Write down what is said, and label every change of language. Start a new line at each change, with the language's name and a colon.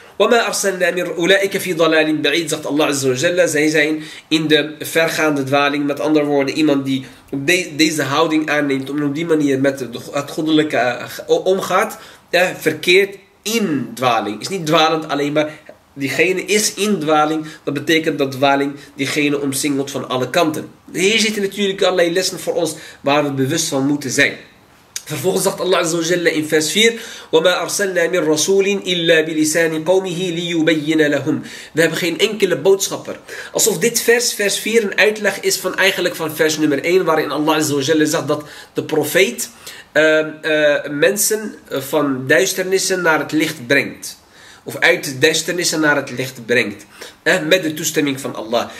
Arabic: وما أرسلنا من أولئك في ضلال بعيد
Dutch: zegt Allah عز وجل zij zijn in de vergaande dwaling met andere woorden iemand die deze houding aanneemt om op die manier met het goddelijke omgaat verkeert in dwaling is niet dwalend alleen maar diegene is in dwaling dat betekent dat dwaling diegene omsingelt van alle kanten hier zitten natuurlijk allerlei lessen voor ons waar we bewust van moeten zijn. Vervolgens zegt Allah Azza wa Jalla in vers 4:
Arabic: وَمَا أَرْسَلْنَا مِنْ رَسُولٍ إِلَّا بِلِسَانِ قَوْمِهِ لِيُبَيِّنَ لَهُمْ.
Dutch: We hebben geen enkele boodschapper. Alsof dit vers 4 een uitleg is van eigenlijk van vers nummer 1, waarin Allah Azza wa Jalla zegt dat de profeet mensen van duisternissen naar het licht brengt. Of uit duisternissen naar het licht brengt. Met de toestemming van Allah.